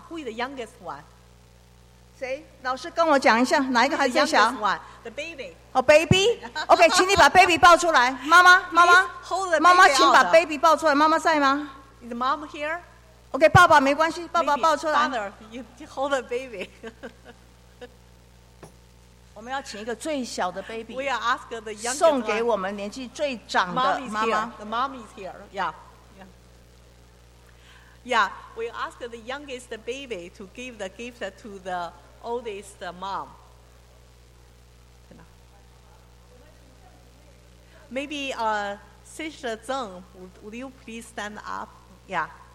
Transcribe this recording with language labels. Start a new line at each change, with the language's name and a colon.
English: Who is the youngest one?
Chinese: 谁？老师跟我讲一下，哪一个孩子最小
English: ？The baby.
Chinese: 哦 ，baby. OK， 请你把 baby 抱出来。妈妈，妈妈，妈妈，请把 baby 抱出来。妈妈在吗
English: ？Is mom here?
Chinese: OK， 爸爸没关系，爸爸抱出来。
English: Father, you hold the baby.
Chinese: 我们要请一个最小的 baby，
English: we are ask the youngest
Chinese: 送给我们年纪最长的妈妈。
English: Mom is here. The mom is here. Yeah. Yeah. Yeah. We ask the youngest baby to give the gift to the oldest mom. Maybe Sister Zeng, would you please stand up? Yeah.